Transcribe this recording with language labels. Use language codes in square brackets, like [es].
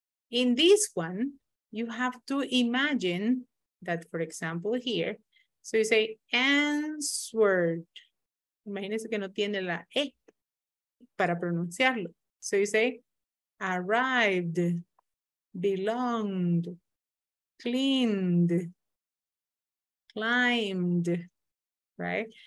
[en] In this one, you have to imagine that, for example, here, so you say answered. [es] Imagínense que no tiene la E para pronunciarlo. [en] So you say arrived, belonged, cleaned, climbed, right?